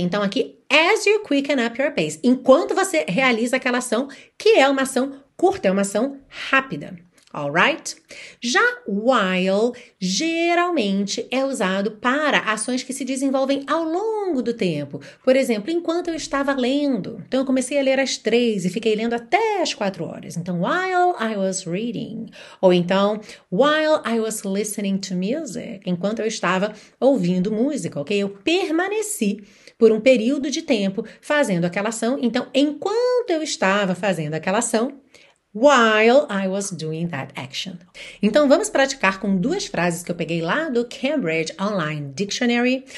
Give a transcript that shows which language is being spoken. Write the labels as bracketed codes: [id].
[pt] Então aqui, [en] as you quicken up your pace, [pt] enquanto você realiza aquela ação, que é uma ação curta, é uma ação rápida. [en] Alright? [pt] Já while geralmente é usado para ações que se desenvolvem ao longo do tempo. Por exemplo, enquanto eu estava lendo. Então eu comecei a ler às 3 e fiquei lendo até às 4 horas. [en] Então, while I was reading. [pt] Ou então, [en] while I was listening to music. [pt] Enquanto eu estava ouvindo música, ok? Eu permaneci por um período de tempo fazendo aquela ação. Então, enquanto eu estava fazendo aquela ação, [en] while I was doing that action. [pt] Então vamos praticar com duas frases que eu peguei lá do Cambridge Online Dictionary.